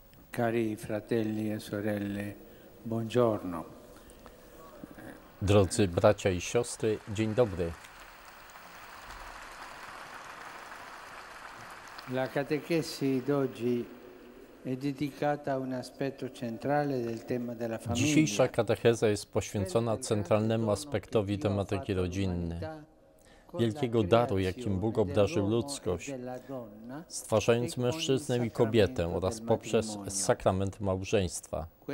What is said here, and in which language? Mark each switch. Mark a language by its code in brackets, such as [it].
[it] Cari fratelli e sorelle, buongiorno. [pl] Drodzy bracia i siostry, dzień dobry. [it] La catechesi d'oggi è dedicata a un aspetto centrale del tema della famiglia. [pl] Dzisiejsza katecheza jest poświęcona centralnemu aspektowi tematyki rodzinnej. Wielkiego daru, jakim Bóg obdarzył ludzkość, stwarzając mężczyznę i kobietę oraz poprzez sakrament małżeństwa.